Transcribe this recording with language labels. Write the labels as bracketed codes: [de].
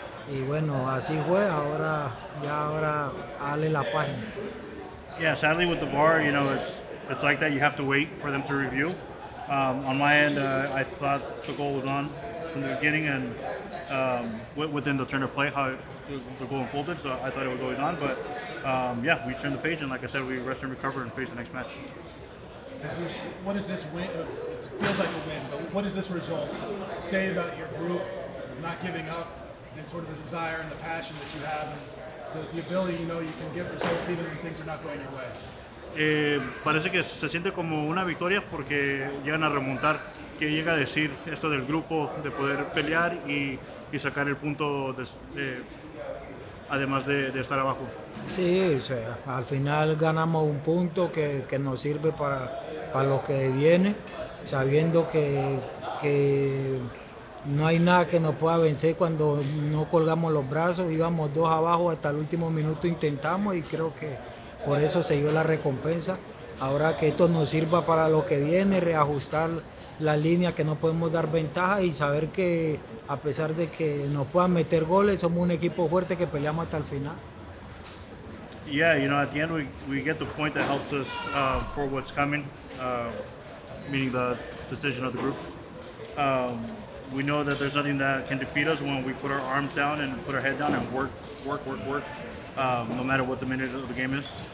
[es] Y bueno, así fue, ahora dale la página. [en] Yeah, sadly with the bar, you know, it's like that. You have to wait for them to review. On my end, I thought the goal was on from the beginning and within the turn of play, how the goal unfolded. So I thought it was always on, but yeah, we turned the page and like I said, we rest and recover and face the next match. What is this win? It feels like a win, but what does this result say about your group not giving up and sort of the desire and the passion that you have and the ability, you know, you can get results even when things are not going your way? [es] Parece que se siente como una victoria porque llegan a remontar. ¿Qué llega a decir esto del grupo de poder pelear y sacar el punto además de estar abajo? Sí, o sea, al final ganamos un punto que nos sirve para lo que viene, sabiendo que no hay nada que nos pueda vencer cuando no colgamos los brazos. Íbamos dos abajo hasta el último minuto, intentamos y creo que por eso se dio la recompensa. Ahora que esto nos sirva para lo que viene, reajustar la línea que no podemos dar ventaja y saber que a pesar de que nos puedan meter goles, somos un equipo fuerte que peleamos hasta el final. [en] Yeah, you know, at the end we get the point that helps us for what's coming, meaning the decision of the groups. We know that there's nothing that can defeat us when we put our arms down and put our head down and work, no matter what the minute of the game is.